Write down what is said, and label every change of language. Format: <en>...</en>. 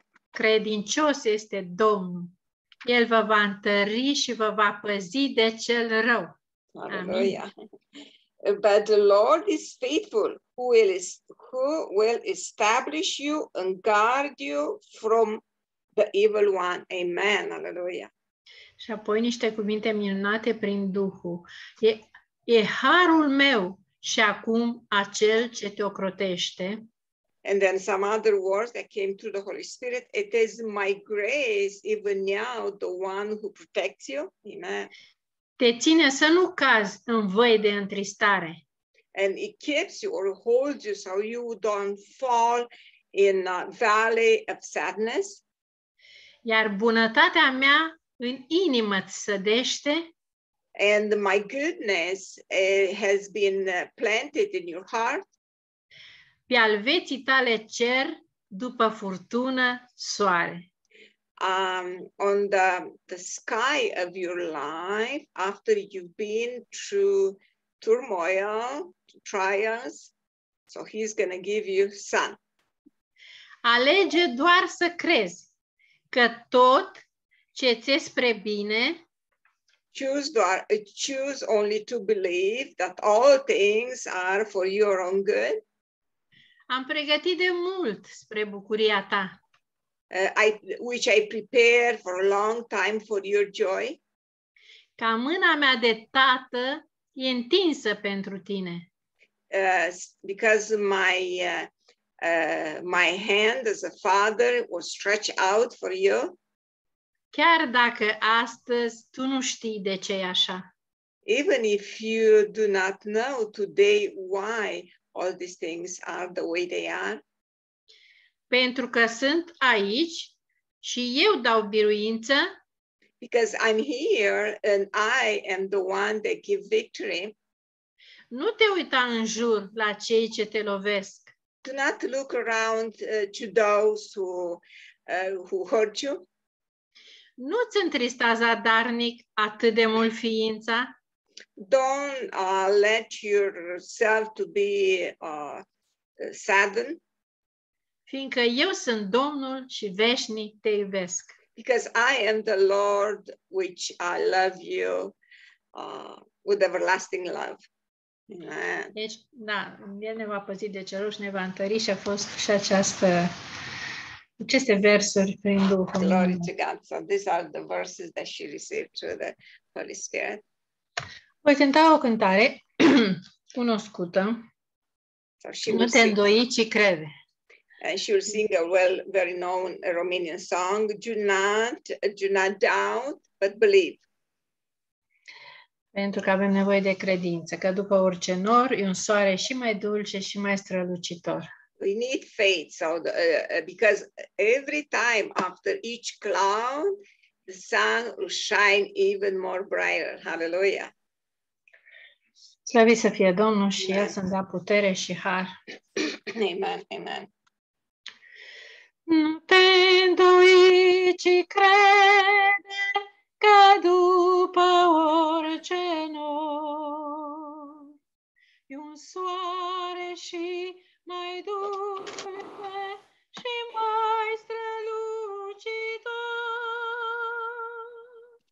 <ro>Credincios este Domnul. El vă va întări și vă va păzi de cel rău. Amin.</ro> <en>But the Lord is faithful, who will establish you and guard you from the evil one. Amen. Aleluia.</en> <ro>Și apoi niște cuvinte minunate prin Duhul. E harul meu și acum acel ce te ocrotește.</ro> <en>And then some other words that came through the Holy Spirit. It is my grace, even now, the one who protects you. Amen.</en> <ro>Te ține să nu cazi în voi de întristare.</ro> <en>And it keeps you or holds you so you don't fall in a valley of sadness.</en> <ro>Iar bunătatea mea în inimă îți sădește.</ro> <en>And my goodness has been planted in your heart.</en> <ro>Pe al veții tale cer, după furtună, soare.</ro> <en>On the sky of your life, after you've been through turmoil, trials, so he's going to give you sun.</en> <ro>Alege doar să crezi că tot ce ți-e spre bine.</ro> <en>Choose only to believe that all things are for your own good.</en> <ro>Am pregătit de mult spre bucuria ta.</ro> <en>Which I prepared for a long time for your joy.</en> <ro>Ca mâna mea de tată e întinsă pentru tine.</ro> <en>Because my hand as a father was stretched out for you.</en> <ro>Chiar dacă astăzi tu nu știi de ce e așa.</ro> <en>Even if you do not know today why all these things are the way they are.</en> <ro>Pentru că sunt aici și eu dau biruință.</ro> <en>Because I'm here and I am the one that give victory.</en> <ro>Nu te uita în jur la cei ce te lovesc.</ro> <en>Do not look around to those who hurt you.</en> <ro>Nu ți întrista zadarnic atât de mult ființa.</ro> <en>Don't let yourself to be saddened.</en> <ro>Fiindcă eu sunt Domnul și veșnic te iubesc.</ro> <en>Because I am the Lord which I love you with everlasting love. Amen.</en> <ro>Deci, da, El ne va păzi de cerul și ne va întări și a fost și aceste versuri prin Duhul.</ro> <en>Glory to God. So these are the verses that she received through the Holy Spirit.</en> <ro>Voi cânta o cântare cunoscută. Nu te îndoi, ci crede.</ro> <en>And she will sing a very known Romanian song, do not doubt, but believe.</en> <ro>Pentru că avem nevoie de credință, că după orice nor, e un soare și mai dulce și mai strălucitor.</ro> <en>We need faith, so because every time after each cloud, the sun will shine even more brighter. Hallelujah.</en> <ro>Slăvit să fie Domnul și El să-mi dea putere și har. Amen, amen. Nu te îndoi, ci crede că după orice nori, un soare și mai dulce și mai strălucitor.</ro>